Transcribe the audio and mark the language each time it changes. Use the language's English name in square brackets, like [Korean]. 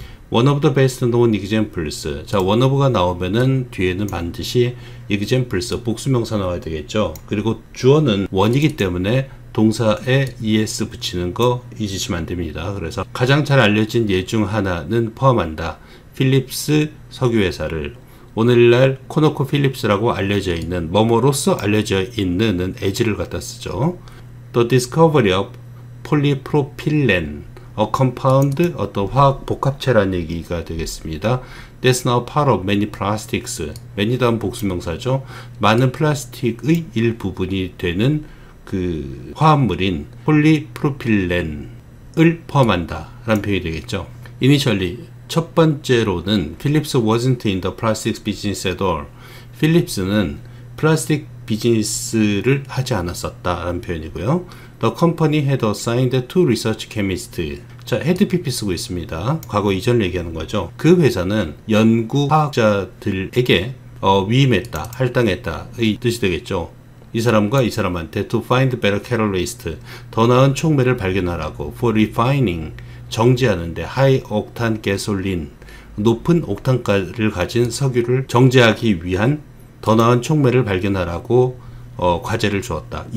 [English] One of the best known examples. [Korean] 자, one of가 나오면은 뒤에는 반드시 examples, 복수명사 나와야 되겠죠. 그리고 주어는 one이기 때문에 동사에 es 붙이는 거 잊으시면 안 됩니다. 그래서 가장 잘 알려진 예중 하나는 포함한다. 필립스 석유회사를. 오늘날 코노코필립스라고 알려져 있는, 뭐뭐로서 알려져 있는은 as를 갖다 쓰죠. [English] The discovery of [Korean] 폴리프로필렌, [English] a compound, [Korean] 어떤 화학 복합체라는 얘기가 되겠습니다. [English] That's now part of many plastics. [Korean] many 다음 복수명사죠. 많은 플라스틱의 일부분이 되는 그 화합물인 폴리프로필렌을 포함한다라는 표현이 되겠죠. [English] Initially, [Korean] 첫 번째로는 [English] Philips wasn't in the plastics business at all. [Korean] Philips는 플라스틱 비즈니스를 하지 않았었다라는 표현이고요. [English] The company had assigned two research chemists. [Korean] 자, had PP 쓰고 있습니다. 과거 이전을 얘기하는 거죠. 그 회사는 연구 과학자들에게 위임했다, 할당했다의 뜻이 되겠죠. 이 사람과 이 사람한테 [English] to find better catalyst, [Korean] 더 나은 촉매를 발견하라고 [English] for refining, [Korean] 정제하는데 [English] high octane gasoline, [Korean] 높은 옥탄가를 가진 석유를 정제하기 위한 더 나은 촉매를 발견하라고 과제를 주었다.